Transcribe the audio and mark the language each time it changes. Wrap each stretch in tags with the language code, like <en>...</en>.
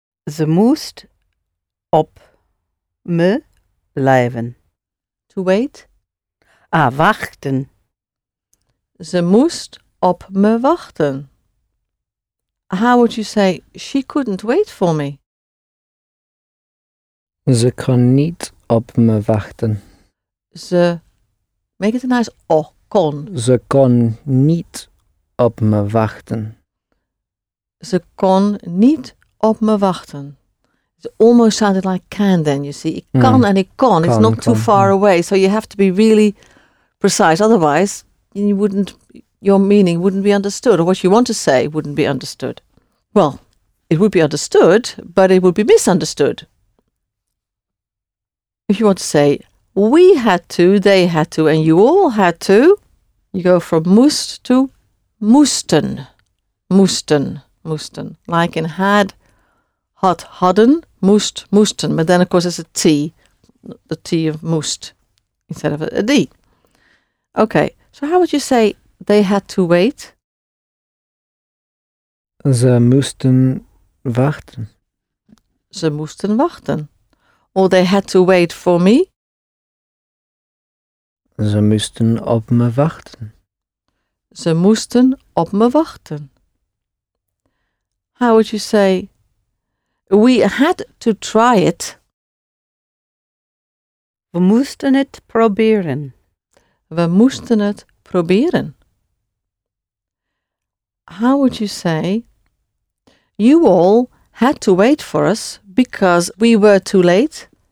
<nl>Ze moest op me blijven.</nl> <en>To wait?</en> <nl>Ah, wachten. Ze moest op me wachten.</nl> <en>How would you say, she couldn't wait for me?</en> <nl>Ze kon niet op me wachten.</nl> <en>Ze, make it a nice oh, kon.</en> <nl>Ze kon niet op me wachten. Ze kon niet op me wachten.</nl> <en>It almost sounded like can then, you see.</en> <nl>Ik kan en ik kon.</nl> <en>It's not too far away, so you have to be really precise. Otherwise, your meaning wouldn't be understood, or what you want to say wouldn't be understood. Well, it would be understood, but it would be misunderstood. If you want to say, we had to, they had to, and you all had to, you go from moest to moesten. Moesten, moesten. Like in had, had, hadden, moest, moesten. But then, of course, it's a T, the T of moest, instead of a D. Okay, so how would you say, they had to wait?</en> <nl>Ze moesten wachten. Ze moesten wachten.</nl> <en>Or they had to wait for me.</en> <nl>Ze moesten op me wachten. Ze moesten op me wachten.</nl> <en>How would you say, we had to try it.</en> <nl>We moesten het proberen. We moesten het proberen.</nl> <en>How would you say, you all had to wait for us because we were too late?</en>